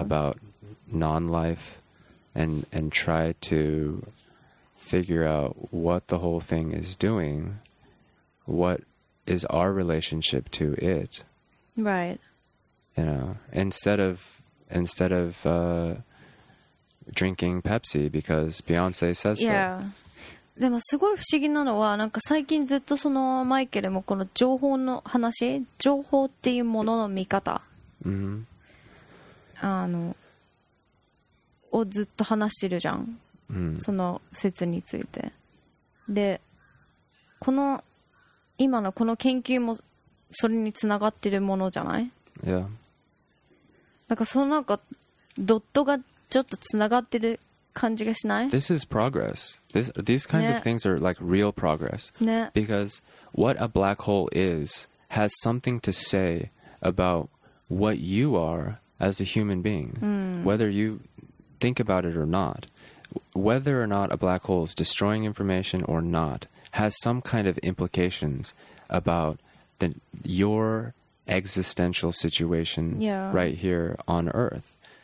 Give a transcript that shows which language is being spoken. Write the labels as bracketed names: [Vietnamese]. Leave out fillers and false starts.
[English] about non-life, and try to figure out what the whole thing is doing, what is our relationship to it. Right. You know, instead of drinking Pepsi because Beyonce says so. Yeah. [Japanese] でもすごい不思議なのは、なんか最近ずっとそのマイケルもこの情報の話、情報っていうものの見方、をずっと話してるじゃん。その説について。で、この今のこの研究もそれにつながってるものじゃない？ [English] Yeah. [Japanese] なんかそのなんかドットがちょっとつながってる感じがしない? [English] This is progress. These kinds of things are like real progress. [Japanese] ね。 [English] Because what a black hole is has something to say about what you are as a human being. Whether you think about it or not. Whether or not a black hole is destroying information or not has some kind of implications about your existential situation right here on Earth.